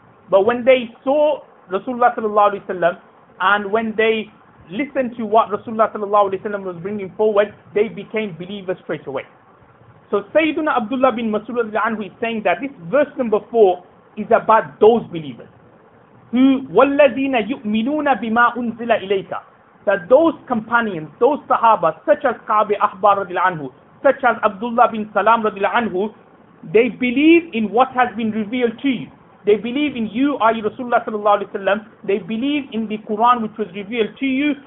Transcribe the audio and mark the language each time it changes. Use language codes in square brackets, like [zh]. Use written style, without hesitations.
[en] But when they saw Rasulullah sallallahu alayhi wa sallam, and when they listened to what Rasulullah sallallahu alayhi wa sallam was bringing forward, they became believers straight away. So Sayyiduna Abdullah bin Mas'ud radiallahu anhu is saying that this verse number 4 is about those believers. Who [ar] وَالَّذِينَ يُؤْمِنُونَ بِمَا أُنزِلَ إِلَيْكَ. [en] That those companions, those sahaba, such as Kaabi Ahbar radiallahu anhu, such as Abdullah bin Salam radiallahu anhu, they believe in what has been revealed to you. They believe in you, i.e. Rasulullah sallallahu alayhi wa sallam. They believe in the Quran which was revealed to you.